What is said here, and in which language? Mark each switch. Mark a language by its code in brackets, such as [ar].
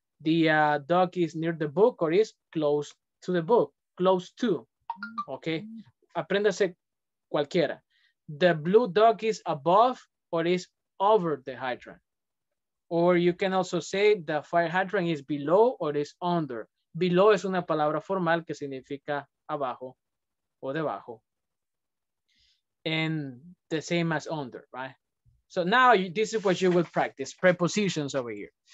[en] The dog is near the book or is close to the book. Close to, okay? [es] Apréndase cualquiera. [en] The blue dog is above or is over the hydrant. Or you can also say the fire hydrant is below or is under. [es] Below es una palabra formal que significa abajo o debajo. [en] And the same as under, right? So now you, this is what you will practice, prepositions over here.